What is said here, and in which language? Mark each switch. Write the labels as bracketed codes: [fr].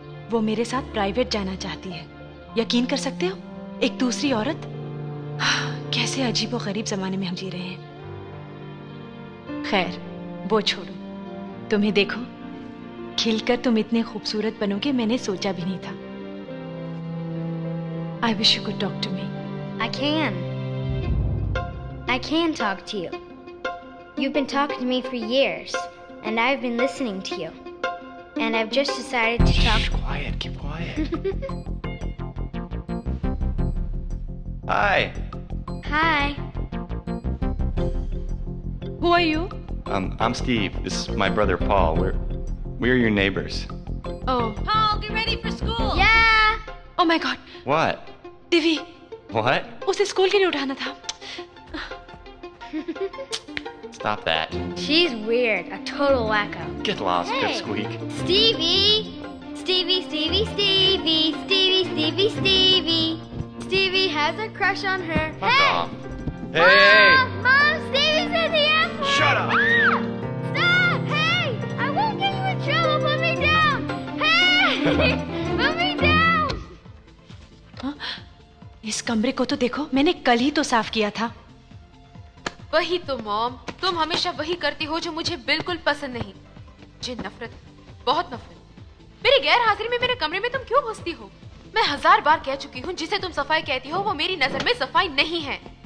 [hi] वो मेरे साथ प्राइवेट जाना चाहती है, यकीन कर सकते हो? एक दूसरी औरत? कैसे अजीबोगरीब जमाने में हम जी रहे हैं। खैर, वो छोड़ो। तुम्हें देखो, खिलकर तुम इतने खूबसूरत बनोगे मैंने सोचा भी नहीं था। [en] I wish you could talk to me. I can talk to you. You've been talking to me for years, and I've been listening to you. And I've just decided to talk. Shh, quiet, keep quiet. Hi. Hi. Who are you? I'm Steve. This is my brother Paul. We're your neighbors. Oh. Paul, get ready for school. Yeah. Oh my god. What? Divi. What? [hi] Usse school ke liye uthana tha. [en] Stop that. She's weird. A total wacko. Get lost, hey. Pipsqueak. Stevie has a crush on her. Fuck hey. Off. Hey! Mom, Stevie's in the airport! Shut up! Stop! Hey! I won't get you in trouble. Put me down! Hey! [hi] Mummy dad. इस कमरे को तो देखो, मैंने कल ही तो साफ किया था। वही तो मॉम, तुम हमेशा वही करती हो जो मुझे बिल्कुल पसंद नहीं। जे नफरत, बहुत नफरत। मेरी गैर हाजिरी में मेरे कमरे में तुम क्यों घुसती हो? मैं हजार बार कह चुकी हूँ, जिसे तुम सफाई कहती हो वो मेरी नजर में सफाई नहीं है।